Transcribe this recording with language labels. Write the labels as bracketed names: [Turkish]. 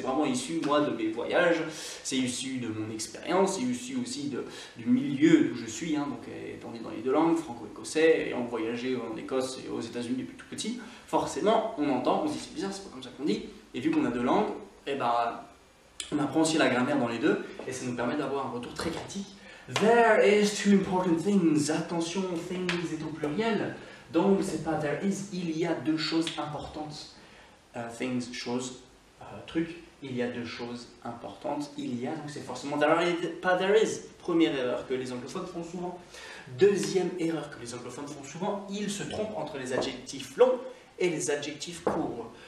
[French] C'est vraiment issu, moi, de mes voyages, c'est issu de mon expérience, c'est issu aussi du milieu où je suis. Hein. Donc, étant dans les deux langues, franco-écossais, ayant voyagé en Écosse et aux États-Unis depuis tout petit, forcément, on entend, on se dit c'est bizarre, c'est pas comme ça qu'on dit. Et vu qu'on a deux langues, eh ben, on apprend aussi la grammaire dans les deux et ça nous permet d'avoir un retour très critique. [English] There is two important things. [French] Attention, things est au pluriel. Donc, c'est pas [English] there is, [French] il y a deux choses importantes. Things, choses, truc. Il y a deux choses importantes. Il y a, donc c'est forcément [English] there is, [French] pas there is. Première erreur que les anglophones font souvent. Deuxième erreur que les anglophones font souvent, ils se trompent entre les adjectifs longs et les adjectifs courts.